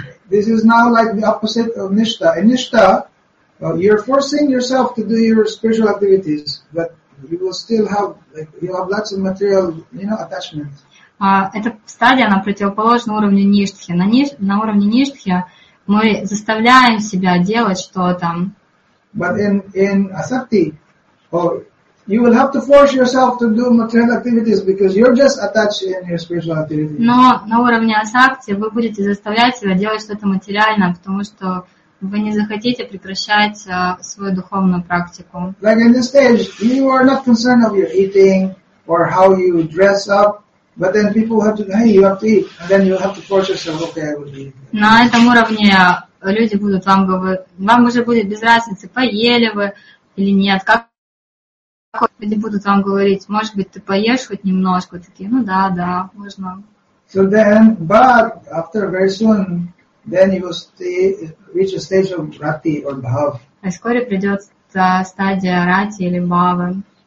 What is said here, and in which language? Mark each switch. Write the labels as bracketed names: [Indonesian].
[English] This is now like the opposite of nishta. In nishta, you're forcing yourself to do your spiritual activities, but you will still have like you have lots of material, you know, attachments. [Russian] Эта стадия, она противоположна уровню ништхи. На уровне ништхи мы заставляем себя делать что-то. [English] But in asakti, you will have to force yourself to do material activities because you're just attached in your spiritual activities. [Russian] Но на уровне асакти вы будете заставлять себя делать что-то материальное, потому что вы не захотите прекращать свою духовную практику. [English] Like in this stage, you are not concerned of your eating or how you dress up, but then people have to, hey, you have to eat, and then you have to force yourself, okay, I will eat. [Russian] На этом уровне люди будут вам говорить, вам уже будет без разницы, поели вы или нет. Как люди будут вам говорить, может быть, ты поешь хоть немножко? Такие, ну да, да, можно. [English] So then, but after very soon, then you will reach a stage of rati or bhav. [Russian] А вскоре придет стадия рати или бхавы.